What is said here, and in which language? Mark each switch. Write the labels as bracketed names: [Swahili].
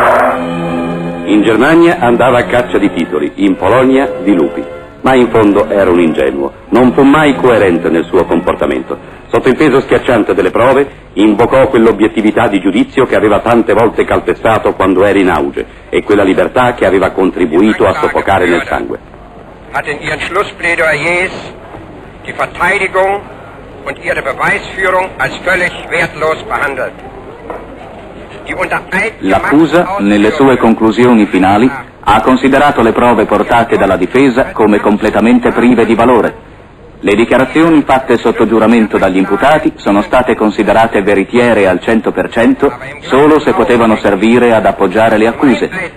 [Italian] In Germania andava a caccia di titoli, in Polonia di lupi. Ma in fondo era un ingenuo, non fu mai coerente nel suo comportamento. Sotto il peso schiacciante delle prove, invocò quell'obiettività di giudizio che aveva tante volte calpestato quando era in auge e quella libertà che aveva contribuito a soffocare nel sangue. [German] Hat in ihren Schlussplädoyers die Verteidigung und ihre Beweisführung als völlig wertlos behandelt. [Italian] L'accusa, nelle sue conclusioni finali, ha considerato le prove portate dalla difesa come completamente prive di valore. Le dichiarazioni fatte sotto giuramento dagli imputati sono state considerate veritiere al 100% solo se potevano servire ad appoggiare le accuse.